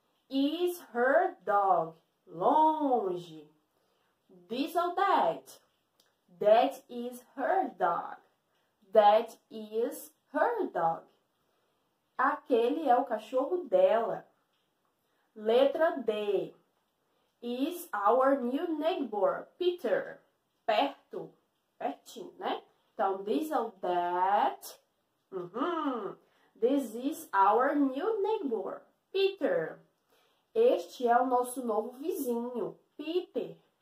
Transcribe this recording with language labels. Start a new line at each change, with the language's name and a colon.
English: Is her dog?
Portuguese: Longe.
English: This or that? That is her dog. That is her dog.
Portuguese: Aquele é o cachorro dela. Letra D.
English: Is our new neighbor, Peter?
Portuguese: Perto. Pertinho, né?
English: Então, this or that. This is our new neighbor, Peter.
Portuguese: Este é o nosso novo vizinho, Peter.